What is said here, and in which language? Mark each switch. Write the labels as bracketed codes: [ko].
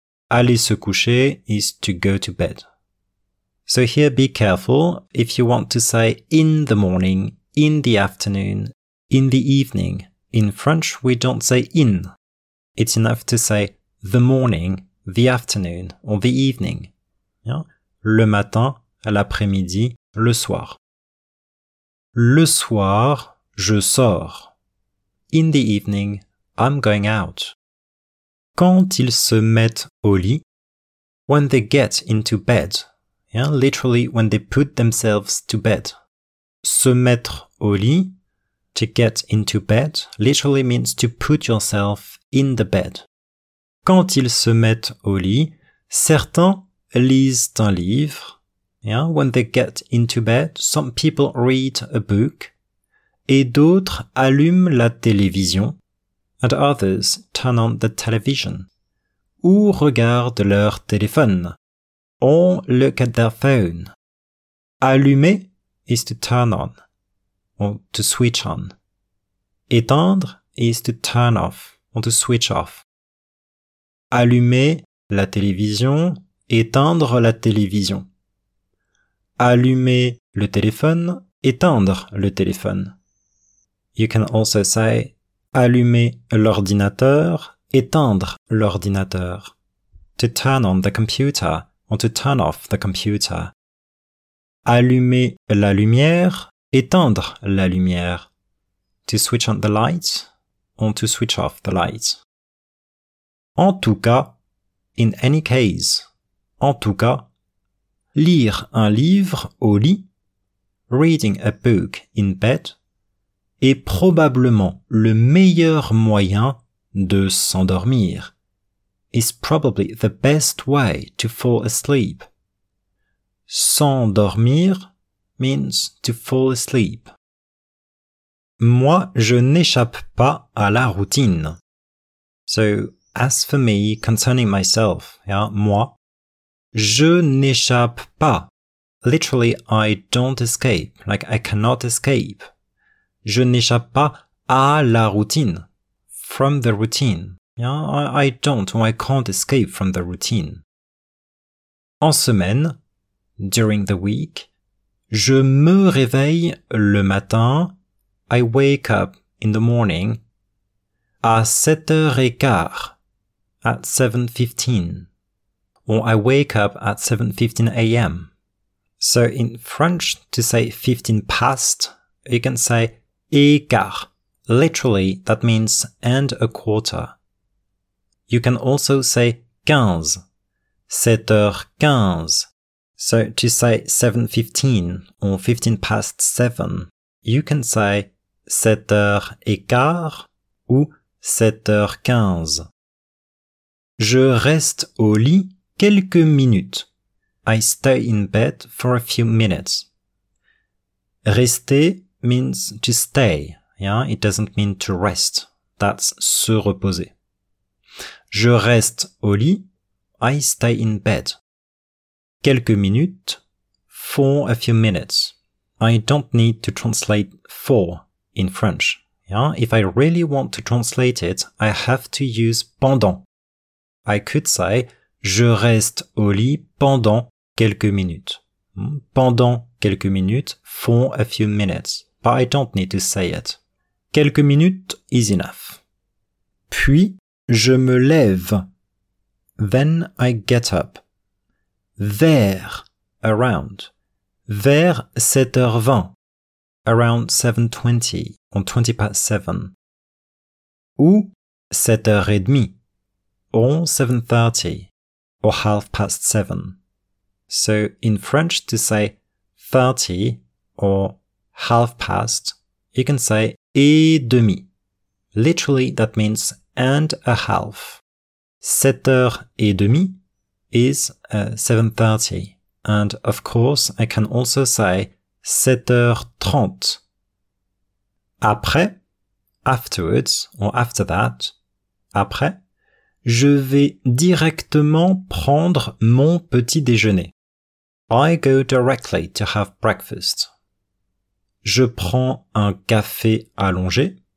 [fr] Aller se coucher [en] is to go to bed. So here be careful if you want to say in the morning, in the afternoon, in the evening. In French we don't say in. It's enough to say the morning, the afternoon, or the evening. Yeah? [fr] Le matin, l'après-midi, le soir. Le soir, je sors. [en] In the evening, I'm going out. [fr] Quand ils se mettent au lit, [en] when they get into bed, yeah, literally when they put themselves to bed. [fr] Se mettre au lit, [en] to get into bed, literally means to put yourself in the bed. [fr] Quand ils se mettent au lit, certains lisent un livre. [en] Yeah, when they get into bed, some people read a book. [fr] Et d'autres allument la télévision. [en] And others turn on the television. [fr] Ou regardent leur téléphone. [en] Or look at their phone. Allumer is to turn on. Or to switch on. Éteindre is to turn off. Or to switch off. [fr] Allumer la télévision. Éteindre la télévision. Allumer le téléphone, éteindre le téléphone. [en] You can also say [fr] allumer l'ordinateur, éteindre l'ordinateur. [en] To turn on the computer or to turn off the computer. [fr] Allumer la lumière, éteindre la lumière. [en] To switch on the light or to switch off the light. [fr] En tout cas, [en] in any case, [fr] en tout cas, lire un livre au lit, [en] reading a book in bed, [fr] est probablement le meilleur moyen de s'endormir, [en] is probably the best way to fall asleep. S'endormir means to fall asleep. [fr] Moi, je n'échappe pas à la routine. [en] So, as for me, concerning myself, yeah, [fr] moi, je n'échappe pas. [en] Literally, I don't escape. Like, I cannot escape. [fr] Je n'échappe pas à la routine. [en] From the routine. I can't escape from the routine. [fr] En semaine, [en] during the week, [fr] je me réveille le matin, [en] I wake up in the morning, [fr] à 7h15, [en] at 7:15. Or I wake up at 7:15 a.m. So in French, to say 15 past, you can say écart. Literally, that means and a quarter. You can also say 15, 7h15. So to say 7:15 or 15 past 7, you can say [fr] 7h15 ou 7h15. Je reste au lit quelques minutes. [en] I stay in bed for a few minutes. Rester means to stay. Yeah, it doesn't mean to rest. That's [fr] se reposer. Je reste au lit. [en] I stay in bed. [fr] Quelques minutes. [en] For a few minutes. I don't need to translate for in French. Yeah, if I really want to translate it, I have to use pendant. I could say, [fr] je reste au lit pendant quelques minutes. Pendant quelques minutes, [en] for a few minutes. But I don't need to say it. [fr] Quelques minutes [en] is enough. [fr] Puis, je me lève. [en] Then I get up. Vers, around. [fr] Vers 7h20. [en] Around 7:20, on 20 past 7. [fr] Ou 7h30. [en] Or 7:30. Or half past 7. So in French, to say 30 or half past, you can say [fr] et demi. [en] Literally, that means and a half. 7h30 is 7:30. And of course, I can also say 7h30. [fr] Après, [en] afterwards, or after that, [fr] après, je vais directement prendre mon petit déjeuner. [en] I go directly to have breakfast. [fr] Je prends un café allongé.